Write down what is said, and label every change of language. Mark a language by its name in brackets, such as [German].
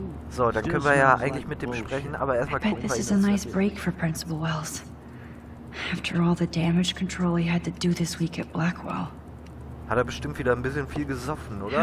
[German] So, dann können wir ja eigentlich mit dem sprechen, aber erstmal gucken wir. [English] This is a nice break for Principal Wells. After all the damage control he had to do this week at Blackwell. [German] Hat er bestimmt wieder ein bisschen viel gesoffen, oder?